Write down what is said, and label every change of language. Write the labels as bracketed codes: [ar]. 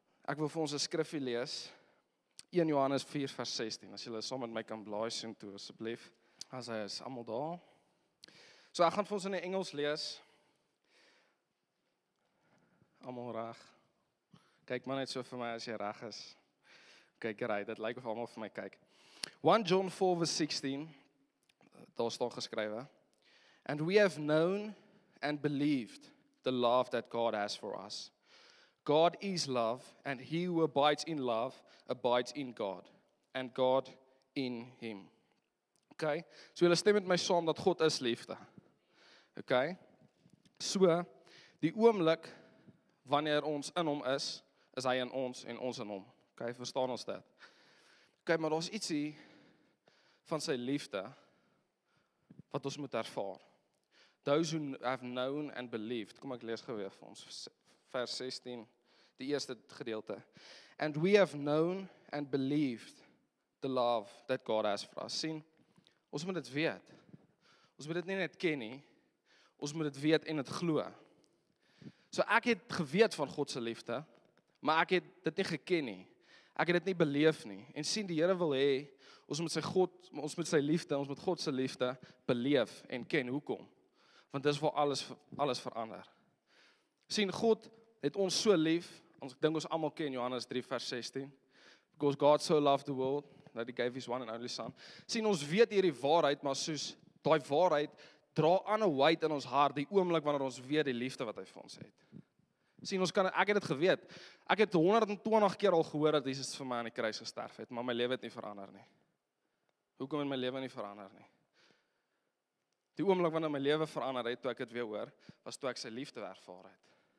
[af] Ek wil vir ons 'n skrifgie lees, 1 Johannes 4 vers 16, as julle saam met my kan blaai soen toe, asseblief, as hy is almal daar. So ek gaan vir ons in die Engels lees, almal reg, kyk maar net so vir my as jy reg is, kyk reg, dit lyk of almal vir my kyk. [en] 1 John 4 [af] vers 16, daar staan geskrywe, [en] and we have known and believed the love that God has for us. God is love, and he who abides in love, abides in God, and God in him. Okay? [af] So julle stem met my saam dat God is liefde. Okay? So die oomblik wanneer ons in hom is, is hy in ons en ons in hom. Okay, verstaan ons dit? Okay, maar daar's ietsie van sy liefde wat ons moet ervaar. [en] Those who have known and believed. [af] Kom ek lees geweef vir ons vers 16, die eerste gedeelte. [en] And we have known and believed the love that God has for us. [af] Sien, ons moet dit weet. Ons moet dit nie net ken nie. Ons moet dit weet en dit glo. So ek het geweet van God se liefde, maar ek het dit nie geken nie. Ek het dit nie beleef nie. En sien, die Here wil hê ons moet sy God, ons moet sy liefde, ons moet God se liefde beleef en ken. Hoekom? Want dis waar alles verander. Sien, God het ons so lief. Ons dink ons almal ken Johannes 3 vers 16. [en] Because God so loved the world that he gave his one and only son. [af] Sien, ons weet hierdie waarheid, maar soos daai waarheid dra aan 'n weight in ons hart die oomblik wanneer ons weet die liefde wat hy vir ons het. Sien, ons kan, ek het dit geweet. Ek het 120 keer al gehoor dat Jesus vir my aan die kruis gesterf het, maar my lewe het nie verander nie. Hoekom het my lewe nie verander nie? Die oomblik wanneer my lewe verander het, toe ek dit weer hoor, was toe ek sy liefde ervaar het.